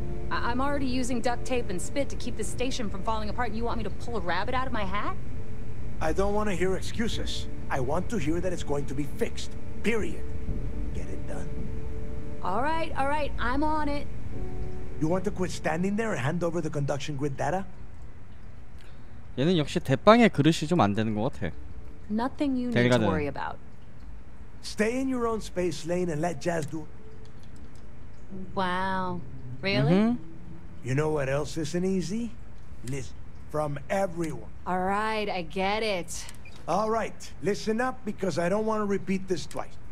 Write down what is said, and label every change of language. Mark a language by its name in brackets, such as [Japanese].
[English] I'm already using duct tape and spit to keep the station from falling apart. You want me to pull a rabbit out of my hat? I don't want to hear excuses. I want to hear that it's going to be fixed. Period. Get it done. All right, I'm on it. You want to quit standing there and hand over the conduction grid data? [Korean] 얘는 역시 대빵의 그릇이 좀 안 되는 것 같아. [English] Nothing you need to worry about. Stay in your own space lane and let Jazz do. Wow, really? Mm-hmm. You know what else isn't easy? Listen from everyone. All right, I get it. All right, listen up because I don't want to repeat this twice.